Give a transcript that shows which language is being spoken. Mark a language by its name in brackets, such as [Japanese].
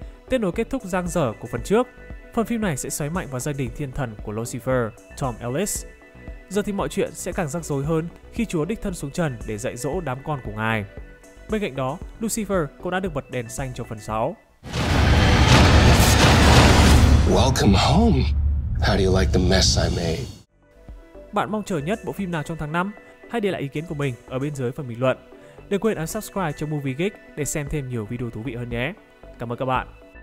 [Vietnamese] Tiếp nối kết thúc giang dở của phần trước, phần phim này sẽ xoáy mạnh vào gia đình thiên thần của Lucifer, Tom Ellis. Giờ thì mọi chuyện sẽ càng rắc rối hơn khi Chúa đích thân xuống trần để dạy dỗ đám con của Ngài. Bên cạnh đó, Lucifer cũng đã được bật đèn xanh cho phần 6. [English] Welcome home. How do you like the mess I made? [Vietnamese] Bạn mong chờ nhất bộ phim nào trong tháng 5? Hãy để lại ý kiến của mình ở bên dưới phần bình luận. Đừng quên ấn subscribe cho Movie Geek để xem thêm nhiều video thú vị hơn nhé. Cảm ơn các bạn.